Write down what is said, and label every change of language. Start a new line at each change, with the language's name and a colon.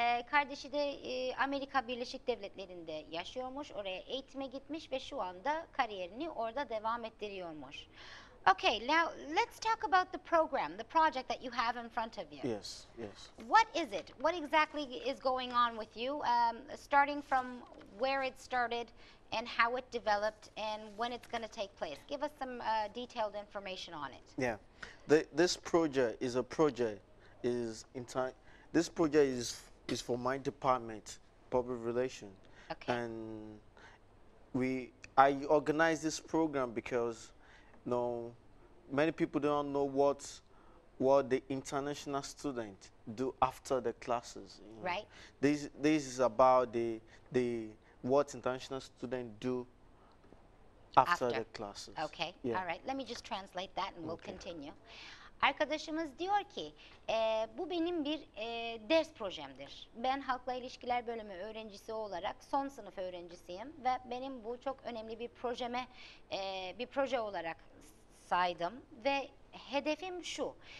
Turkish: Kardeşi de Amerika Birleşik Devletleri'nde yaşıyormuş. Oraya eğitime gitmiş ve şu anda kariyerini orada devam ettiriyormuş.
English: Okay, now let's talk about the program, the project that you have in front of you. Yes, yes. What is it? What exactly is going on with you, starting from where it started and how it developed and when it's going to take place? Give us some detailed information on it. Yeah, this project is for my department, public relations. Okay. And I organized this program because, you know, many people don't know what the international student do after the classes. You know. Right. This is about the what international student do after the classes. Okay. Yeah. All right. Let me just translate that and we'll continue.
Turkish: Arkadaşımız diyor ki, bu benim bir ders projemdir. Ben halkla ilişkiler bölümü öğrencisi olarak son sınıf öğrencisiyim ve benim bu çok önemli bir projeme bir proje olarak saydım ve hedefim şu.